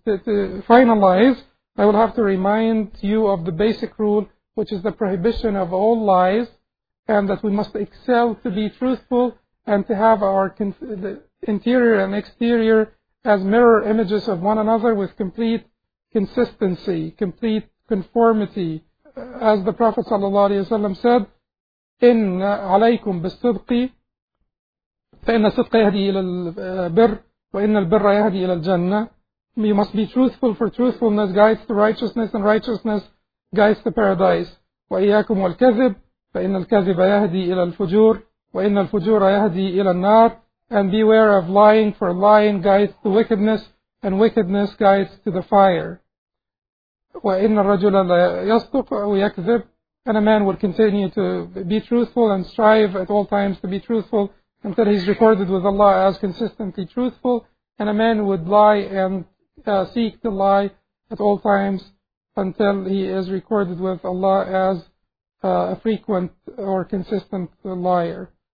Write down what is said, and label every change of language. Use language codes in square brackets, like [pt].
[en] To finalize, I will have to remind you of the basic rule, which is the prohibition of all lies, and that we must excel to be truthful and to have our the interior and exterior as mirror images of one another with complete consistency, complete conformity. As the Prophet ﷺ said, [ar] إن عليكم بالصدق فإن الصدق يهدي إلى البر وإن البر يهدي إلى الجنة. [en] You must be truthful, for truthfulness guides to righteousness, and righteousness guides to paradise. [ar] وإياكم والكذب فإن الكذب يهدي إلى الفجور وإن الفجور يهدي إلى النار. [en] And beware of lying, for lying guides to wickedness, and wickedness guides to the fire. [ar] وإن الرجل لا يصدق أو يكذب. [en] And a man will continue to be truthful and strive at all times to be truthful until he's recorded with Allah as consistently truthful. And a man would lie and seek to lie at all times until he is recorded with Allah as a frequent or consistent liar.